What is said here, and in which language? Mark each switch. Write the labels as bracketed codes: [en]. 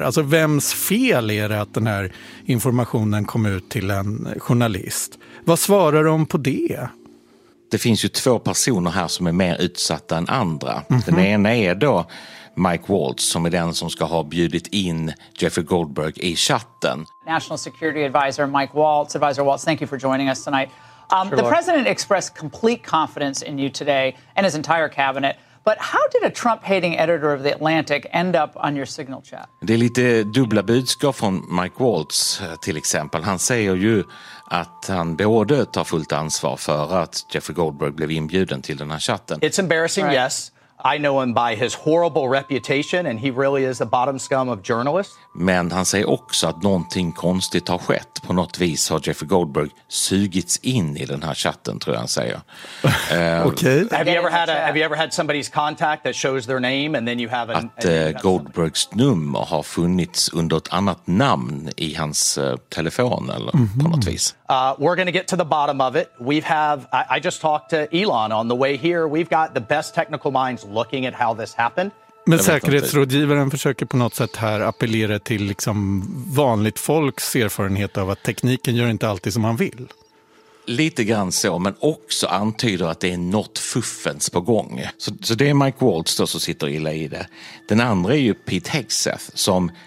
[sv] Alltså vems fel är det att den här informationen kom ut till en journalist? Vad svarar de på det? Det finns ju två personer här som är mer utsatta än andra. Mm-hmm. Den ena är då Mike Waltz, som är den som ska ha bjudit in Jeffrey Goldberg i chatten. [en] National Security Advisor Mike Waltz. Advisor Waltz, thank you for joining us tonight. The president expressed complete confidence in you today and his entire cabinet. But how did a Trump-hating editor of The Atlantic end up on your signal chat? [sv] Det är lite dubbla budskap från Mike Waltz till exempel. Han säger ju att han både tar fullt ansvar för att Jeffrey Goldberg blev inbjuden till den här chatten. [en] It's embarrassing, right. Yes. I know him by his horrible reputation and he really is the bottom scum of journalists. [sv] Men han säger också att någonting konstigt har skett. På något vis har Jeffrey Goldberg sugits in i den här chatten, tror jag han säger. Okej. [en] Have you ever had somebody's contact that shows their name and then you have [sv] Goldbergs nummer har funnits under ett annat namn i hans telefon eller mm-hmm. på något vis. [en] We're going to get to the bottom of it. I just talked to Elon on the way here. We've got the best technical minds looking at how this happened. [sv] Men säkerhetsrådgivaren försöker på något sätt här appellera till liksom vanligt folks erfarenhet av att tekniken gör inte alltid som man vill. Lite grann så, men också antyder att det är något fuffens på gång. Så det är Mike Waltz då som sitter illa i det. Den andra är ju Pete Hegseth som...